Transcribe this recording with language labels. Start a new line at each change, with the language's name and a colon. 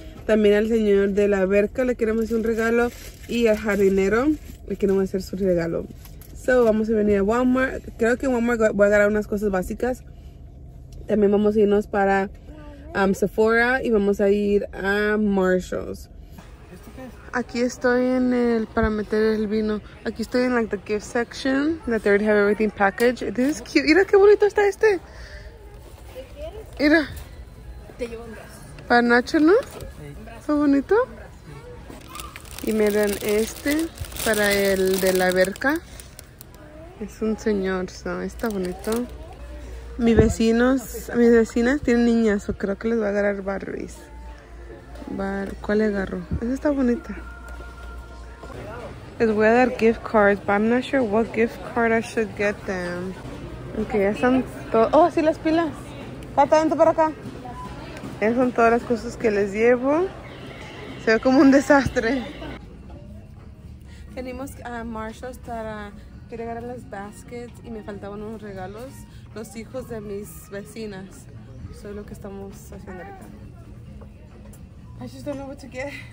Spanish: También al señor de la alberca le queremos hacer un regalo y al jardinero le queremos hacer su regalo. So, vamos a venir a Walmart. Creo que en Walmart voy a agarrar unas cosas básicas. También vamos a irnos para Sephora y vamos a ir a Marshalls. ¿Esto qué es? Aquí estoy en el, para meter el vino. Aquí estoy en,
English: like, the gift section, that they already have everything packaged. This is cute.
Spanish: Mira qué bonito está este. ¿Qué quieres? Mira. Te llevo un brazo. Para Nacho, ¿no? Un brazo. ¿Está bonito? Un brazo. Y miren este para el de la alberca. Es un señor, so, está bonito. Mis vecinos, mis vecinas tienen niñas, o creo que les va a dar Barbies. Bar, ¿cuál agarro? Esa está bonita. Les voy a dar
English: gift cards, but I'm not sure what gift card I should get them.
Spanish: Ok, ya son todo. Oh, sí, las pilas. Pata, vente para acá. Esas son todas las cosas que les llevo. Se ve como un desastre. Venimos a Marshalls para querer agarrar las baskets y me faltaban unos regalos. Los hijos de mis vecinas. Eso es lo que estamos haciendo ahorita.
English: I just don't know what to get.